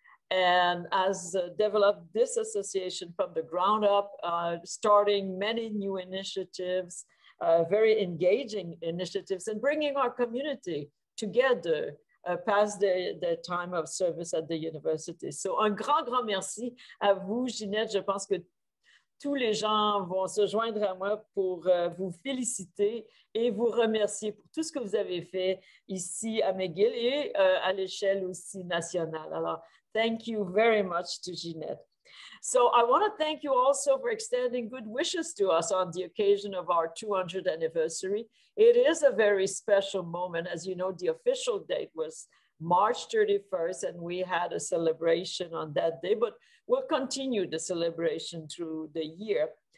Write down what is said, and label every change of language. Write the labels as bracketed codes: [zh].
[en] And has developed this association from the ground up, starting many new initiatives, very engaging initiatives, and bringing our community together past the time of service at the university. [fr] So, un grand, grand merci à vous, Jeanette. Je pense que tous les gens vont se joindre à moi pour vous féliciter et vous remercier pour tout ce que vous avez fait ici à McGill et à l'échelle aussi nationale. Alors, [en] thank you very much to Jeanette. So I want to thank you also for extending good wishes to us on the occasion of our 200th anniversary. It is a very special moment. As you know, the official date was March 31st, and we had a celebration on that day, but we'll continue the celebration through the year.